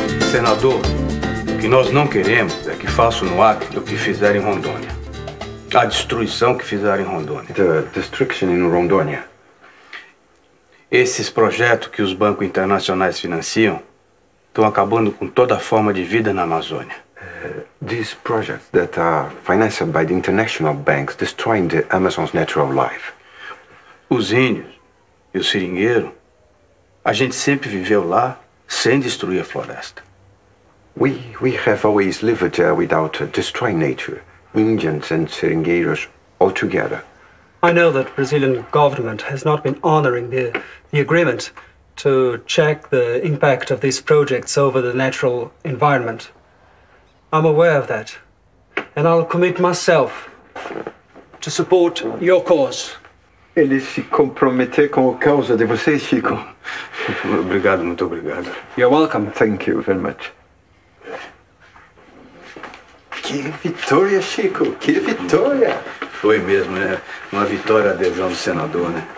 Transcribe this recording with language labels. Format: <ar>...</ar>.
<pt>Senador, o que nós não queremos é que façam no Acre o que fizeram em Rondônia. A destruição que fizeram em Rondônia.</pt> <en>The destruction in Rondônia.</en> <pt>Esses projetos que os bancos internacionais financiam estão acabando com toda a forma de vida na Amazônia.</pt> <en>These projects that are financed by the international banks destroying the Amazon's natural life.</en> <pt>Os índios e o seringueiro, a gente sempre viveu lá sem destruir a floresta.</pt> <en>We have always lived there without destroying nature, Indians and seringueiros all together. I know that Brazilian government has not been honoring the agreement to check the impact of these projects over the natural environment. I'm aware of that, and I'll commit myself to support your cause.</en> <pt>Ele se comprometer com a causa de vocês, Chico. Obrigado, muito obrigado.</pt> <en>You're welcome. Thank you very much.</en> <pt>Que vitória, Chico, que vitória. Foi mesmo, né? Uma vitória a adesão do senador, né?</pt>